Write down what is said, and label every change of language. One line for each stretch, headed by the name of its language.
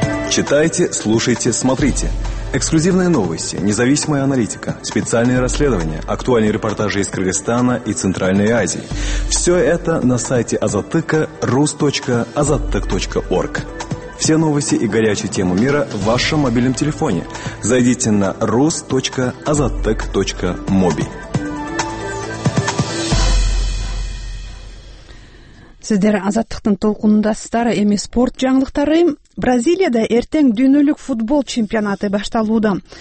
Russian: Читайте, слушайте, смотрите. Эксклюзивные новости, независимая аналитика, специальные расследования, актуальные репортажи из Кыргызстана и Центральной Азии. Все это на сайте Азаттыка, rus.azattyk.org. Все новости и горячую тему мира в вашем мобильном телефоне. Зайдите на rus.azattyk.mobi.
Kyrgyz: Сиздер Азаттыктын толкунундасыздар. Эми спорт жаңылыктары. Бразилияда эртең дүйнөлүк футбол чемпионаты башталууда.